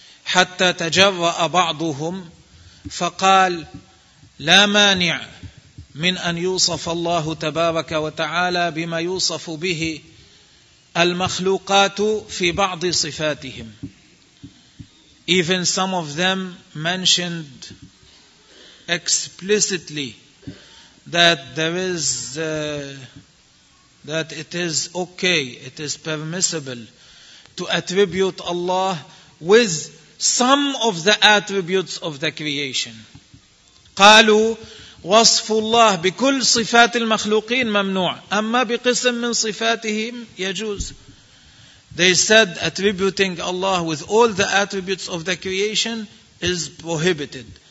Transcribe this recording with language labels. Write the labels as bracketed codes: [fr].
[ar] حتى تجرأ بعضهم فقال لا مانع من أن يوصف الله تبارك وتعالى بما يوصف به المخلوقات في بعض صفاتهم. [en] Even some of them mentioned explicitly that there is that it is okay, it is permissible to attribute Allah with some of the attributes of the creation. [ar] قالوا وصف الله بكل صفات المخلوقين ممنوع أما بقسم من صفاتهم يجوز. [en] They said attributing Allah with all the attributes of the creation is prohibited.